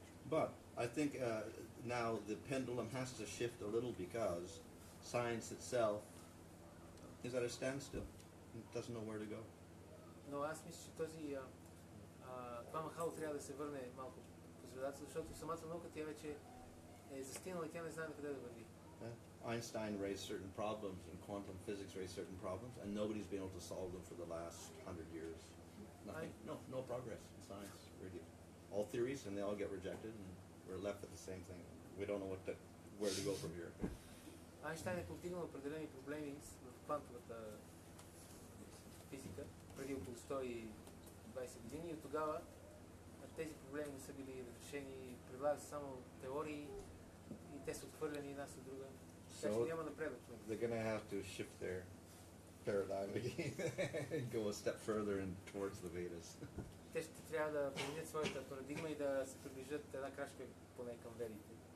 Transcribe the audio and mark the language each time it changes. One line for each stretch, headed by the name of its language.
English: But I think now the pendulum has to shift a little because science itself is at a standstill. It doesn't know where to go.
Bulgarian: Но аз мисля, че този това махало трябва да се върне малко по средата, защото самата наука тя вече е застинала и тя не знае къде да върви.
English: Einstein raised certain problems and quantum physics raised certain problems and nobody's been able to solve them for the last 100 years. No progress in science, really. All theories and they all get rejected and we're left with the same thing. We don't know where to go from here.
Bulgarian: Einstein е повдигнал определени проблеми в квантовата физика преди около 120 години и от тогава тези проблеми не са били решени, предлагат само теории и те са отхвърляни една след друга.
English: So
Bulgarian: няма напредък.
English: They're going to have to shift their paradigm again and go a step further and towards the Vedas.
Bulgarian: Те ще трябва да променят своята парадигма и да се приближат една крачка поне към Ведите.